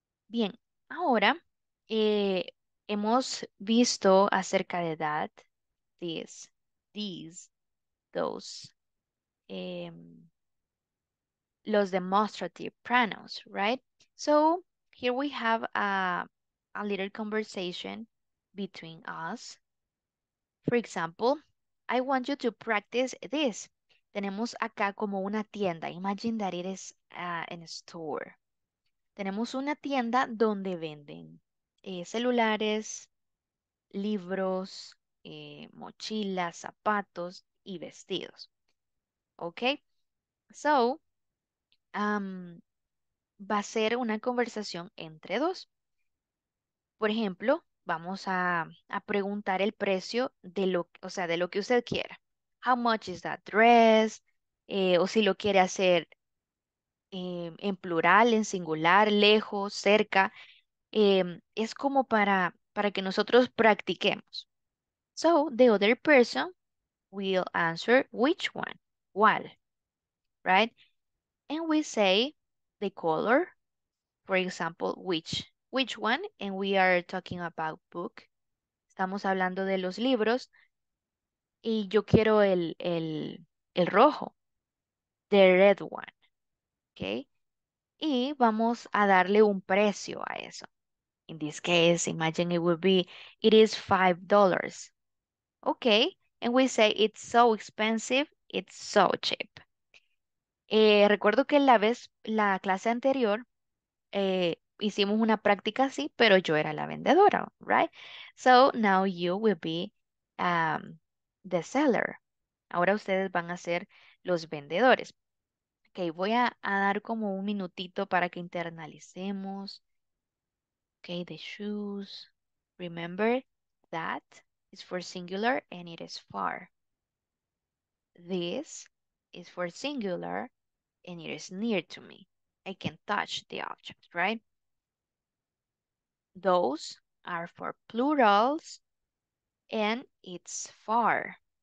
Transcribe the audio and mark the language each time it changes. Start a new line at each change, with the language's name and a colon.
Spanish: Bien, ahora hemos visto acerca de that, this, these, those, los demonstrative pronouns, right?
English: So here we have a little conversation between us. For example, I want you to practice this.
Spanish: Tenemos acá como una tienda.
English: Imagine that it is in a store.
Spanish: Tenemos una tienda donde venden celulares, libros, mochilas, zapatos y vestidos. Okay? So, va a ser una conversación entre dos. Por ejemplo, vamos a preguntar el precio de lo que usted quiera.
English: How much is that dress?
Spanish: O si lo quiere hacer en plural, en singular, lejos, cerca. Es como para que nosotros practiquemos.
English: So, the other person will answer which one, what, right? And we say the color, for example, which one, and we are talking about book.
Spanish: Estamos hablando de los libros. Y yo quiero el rojo,
English: the red one,
Spanish: okay? Y vamos a darle un precio a eso.
English: In this case, imagine it would be, it is $5. Okay, and we say, it's so expensive, it's so cheap.
Spanish: Recuerdo que la clase anterior, hicimos una práctica así, pero yo era la vendedora, right?
English: So, now you will be the seller.
Spanish: Ahora ustedes van a ser los vendedores. Okay, voy a dar como un minutito para que internalicemos.
English: Okay, the shoes. Remember, that is for singular and it is far. This is for singular and it is near to me. I can touch the object, right? Those are for plurals and it's far.